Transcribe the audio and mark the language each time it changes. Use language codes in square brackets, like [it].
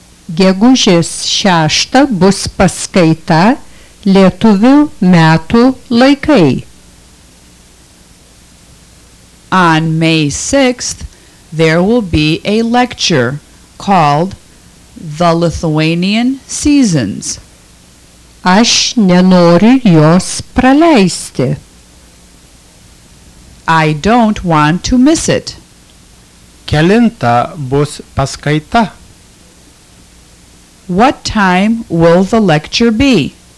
[lt] Gegužės 6 bus paskaita Lietuvių metų laikai. [en] On May 6th, there will be a lecture called The Lithuanian Seasons. [lt] Aš nenoriu jos praleisti. [en] I don't want to miss it. [lt] Kelinta bus paskaita? [en] What time will the lecture be?